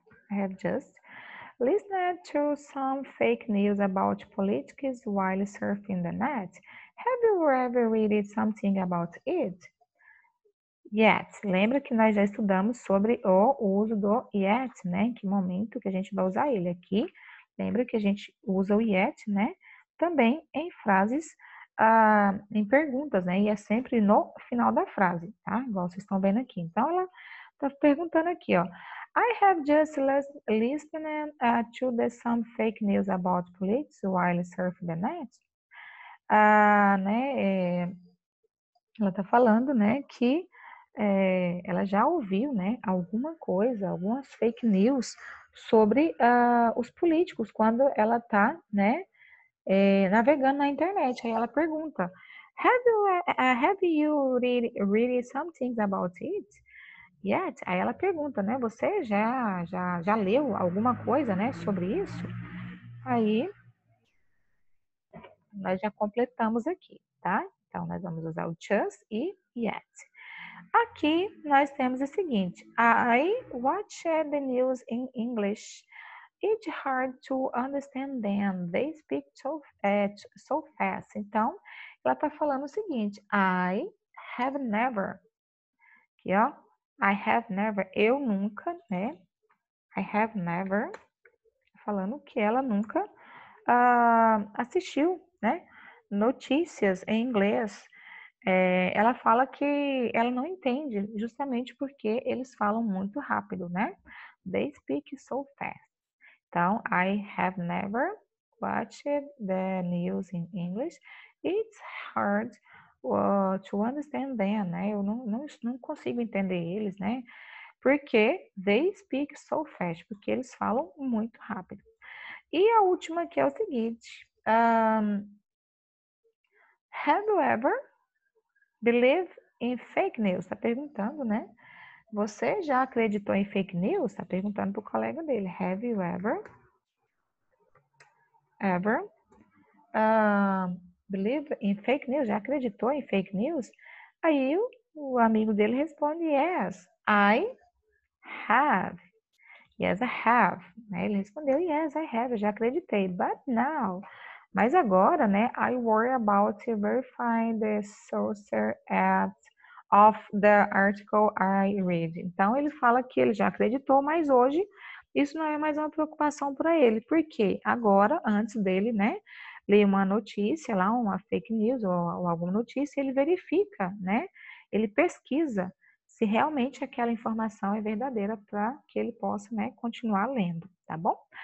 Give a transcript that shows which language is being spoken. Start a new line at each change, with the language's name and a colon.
English: I have just listened to some fake news about politics while surfing the net. Have you ever read something about it? Yet.
Portuguese: Lembra que nós já estudamos sobre o uso do yet, né? Em que momento que a gente vai usar ele aqui? Lembra que a gente usa o yet, né? Também em frases, em perguntas, né? E é sempre no final da frase, tá? Igual vocês estão vendo aqui. Então, ela tá perguntando aqui, ó.
English: I have just listened to the some fake news about politics while surfing the net.
Portuguese: Né? Ela tá falando, né? Que ela já ouviu, né? Alguma coisa, algumas fake news sobre os políticos quando ela tá, né, navegando na internet. Aí ela pergunta:
English: Have you read something about it yet?
Portuguese: Aí ela pergunta, né, você já leu alguma coisa, né, sobre isso? Aí nós já completamos aqui, tá? Então nós vamos usar o just e yet. Aqui nós temos o seguinte:
English: I watch the news in English. It's hard to understand them. They speak so fast.
Portuguese: Então, ela está falando o seguinte:
English: I have never. Aqui, ó. I have never.
Portuguese: Eu nunca, né?
English: I have never.
Portuguese: Falando que ela nunca assistiu, né, notícias em inglês. Ela fala que ela não entende, justamente porque eles falam muito rápido, né?
English: They speak so fast. Então, I have never watched the news in English. It's hard to understand them, né?
Portuguese: Eu não consigo entender eles, né? Porque
English: they speak so fast,
Portuguese: porque eles falam muito rápido. E a última que é o seguinte:
English: Have you ever believe in fake news?
Portuguese: Tá perguntando, né? Você já acreditou em fake news? Tá perguntando pro colega dele.
English: Have you ever believe in fake news?
Portuguese: Já acreditou em fake news? Aí o amigo dele responde:
English: Yes, I have. Yes, I have.
Portuguese: Ele respondeu:
English: Yes, I have.
Portuguese: Já acreditei.
English: But now.
Portuguese: Mas agora, né?
English: I worry about verifying the source of the article I read.
Portuguese: Então, ele fala que ele já acreditou, mas hoje isso não é mais uma preocupação para ele. Por quê? Agora, antes dele, né, ler uma notícia lá, uma fake news ou alguma notícia, ele verifica, né? Ele pesquisa se realmente aquela informação é verdadeira para que ele possa, né, continuar lendo, tá bom?